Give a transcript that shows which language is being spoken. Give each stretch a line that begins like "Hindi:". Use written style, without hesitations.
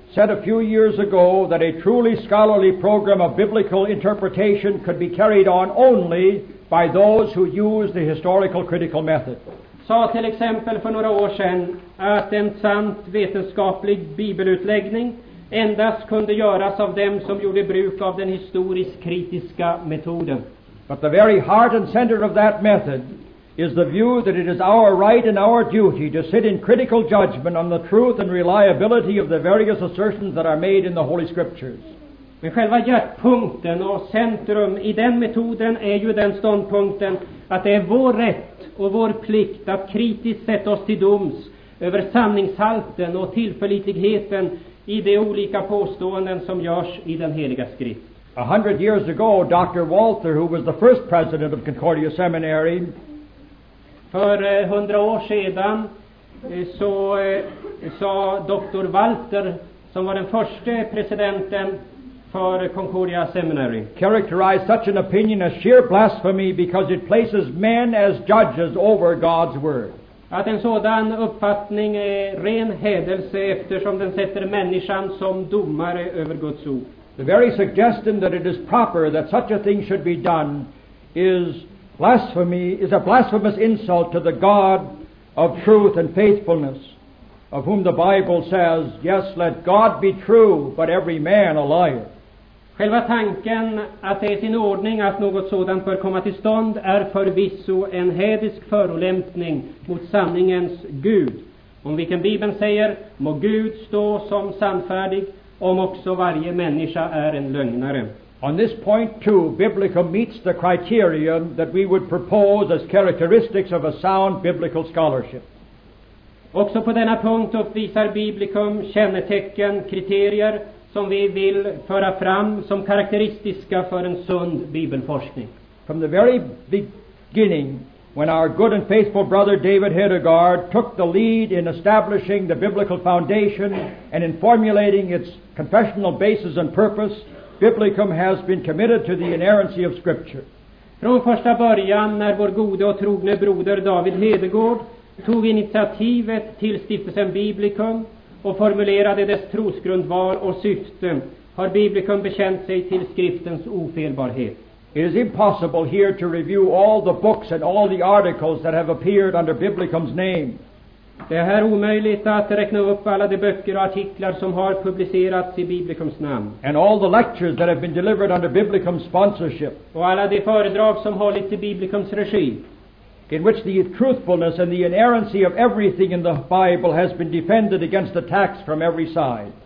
English: said a few years ago that a truly scholarly program of biblical interpretation could be carried on only by those who use the historical critical method.
Swedish: Sa till exempel för några år sedan att en sant vetenskaplig bibelutläggning endast kunde göras av dem som gjorde bruk av den historisk kritiska metoden.
English: But the very heart and center of that method is the view that it is our right and our duty to sit in critical judgment on the truth and reliability of the various assertions that are made in the Holy Scriptures.
Swedish: Men själva hjärtpunkten och centrum i den metoden är ju den ståndpunkten att det är vår rätt och vår plikt att kritiskt sätta oss till doms över sanningshalten och tillförlitligheten i de olika påståenden som görs i den heliga skrift.
English: 100 years ago, Dr. Walther, who was the first president of Concordia Seminary,
Swedish: för 100 år sedan så sa Dr. Walther, som var den första presidenten för Concordia Seminary,
English: characterized such an opinion as sheer blasphemy because it places men as judges over God's word.
Swedish: Att en sådan uppfattning är ren hädelse, eftersom den sätter människan som domare över Guds ord.
English: The very suggestion that it is proper that such a thing should be done is blasphemy, is a blasphemous insult to the God of truth and faithfulness, of whom the Bible says, yes, let God be true, but every man a liar.
Swedish: Själva tanken att det är sin ordning att något sådant bör komma till stånd är förvisso en hedisk förolämpning mot sanningens Gud, om vilken Bibeln säger, må Gud stå som sannfärdig, om också varje människa är en lögnare.
English: On this point too, biblical meets the criterion that we would propose as characteristics of a sound biblical scholarship.
Swedish: Också på denna punkt uppvisar biblikum kännetecken, kriterier, som vi vill föra fram som karakteristiska för en sund bibelforskning.
English: From the very beginning, when our good and faithful brother David Hedegaard took the lead in establishing the biblical foundation and in formulating its confessional basis and purpose, biblicum has been committed to the inerrancy of Scripture.
Swedish: Från första början, när vår gode och trogne broder David Hedegaard tog initiativet till stiftelsen Biblicum och formulerade dess trosgrundval och syfte, har Biblicum bekänt sig till skriftens ofelbarhet.
English: It is impossible here to review all the books and all the articles that have appeared under Biblicum's name.
Swedish: Det är här omöjligt att räkna upp alla de böcker och artiklar som har publicerats i Biblicums namn.
English: And all the lectures that have been delivered under Biblicum's sponsorship.
Swedish: Och alla de föredrag som hållits i Biblicums regi.
English: In which the truthfulness and the inerrancy of everything in the Bible has been defended against attacks from every side.